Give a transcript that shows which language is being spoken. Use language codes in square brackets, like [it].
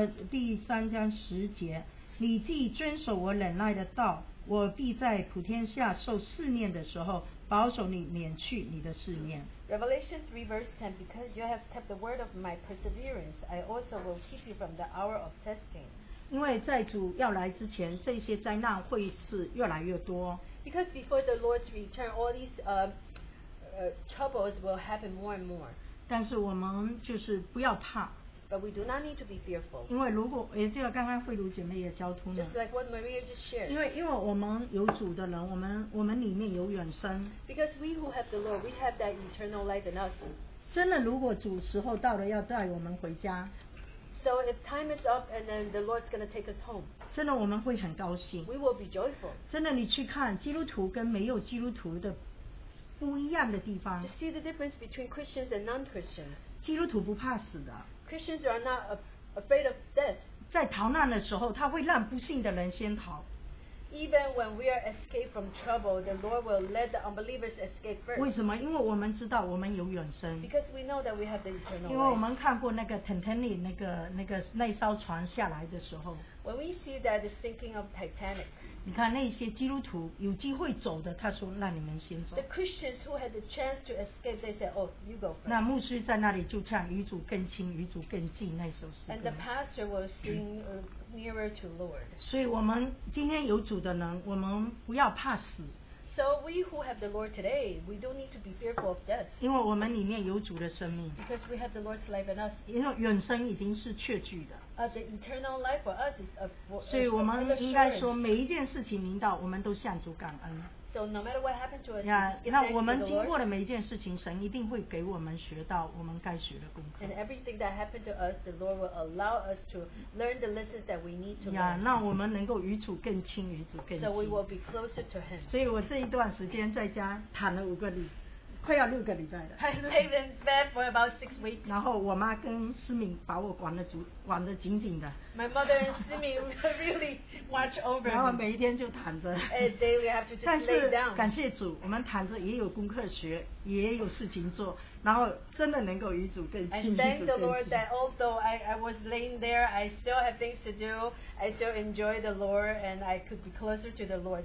[zh] 第三章十节，你既遵守我忍耐的道，我必在普天下受试念的时候保守你，免去你的试念。 [en] Revelation 3 verse 10, because you have kept the word of my perseverance, I also will keep you from the hour of testing. [zh] 因为在主要来之前，这些灾难会是越来越多。 [en] Because before the Lord's return, all these troubles will happen more and more. [zh] 但是我们就是不要怕。 [en] But we do not need to be fearful. [zh] 因为如果这个刚刚慧茹姐妹也交通了, [en] just like what Maria just shared. [zh] 因为我们有主的人,我们里面有永生, [en] because we who have the Lord, we have that eternal life in us. [zh] 真的如果主时候到了要带我们回家, [en] so if time is up and then the Lord's going to take us home, [zh] 真的我们会很高兴, [en] we will be joyful. [zh] 真的你去看基督徒跟没有基督徒的 不一样的地方, [en] to see the difference between Christians and non-Christians. [zh] 基督徒不怕死的, [en] Christians are not afraid of death. [zh] 在逃难的时候, 他会让不幸的人先逃, [en] even when we are escaped from trouble, the Lord will let the unbelievers escape first. [zh] 为什么? 因为我们知道我们有永生, [en] because we know that we have the eternal life. [zh] 因为我们看过那个 Titanic 那艘船下来的时候, [en] when we see that the sinking of Titanic, [zh] 你看那些基督徒有机会走的, 他说让你们先走, [en] the Christians who had the chance to escape, they said, oh, you go first. [zh] 那牧师在那里就唱, 与主更亲, 与主更近, 那首诗歌, [en] and the pastor will sing nearer to Lord. [zh] 所以我们今天有主的人, 我们不要怕死, [en] so we who have the Lord today, we don't need to be fearful of death, [zh] 因为我们里面有主的生命, [en] because we have the Lord's life in us. [zh] 因为永生已经是确据的, [en] the eternal life for us is a, [zh] 所以我们应该说每一件事情临到, 我们都向主感恩, [en] so no matter what happened to us, yeah, [zh] 那我们经过的每一件事情, 神一定会给我们学到 我们该学的功课, [en] and everything that happened to us, the Lord will allow us to learn the lessons that we need to learn, [zh] yeah, 那我们能够与主更亲, 与主更亲, [en] so we will be closer to him. [zh] 所以我这一段时间在家躺了五个礼, 快要六个礼拜了, [en] I laid in bed for about 6 weeks. And my mother and Siming really watch over me. And daily I have to just lay down. [zh] 但是感谢主, 我们躺着也有功课学, 也有事情做, 然后真的能够与主更亲, [en] and thank the Lord that although I was laying there, I still have things to do, I still enjoy the Lord, and I could be closer to the Lord.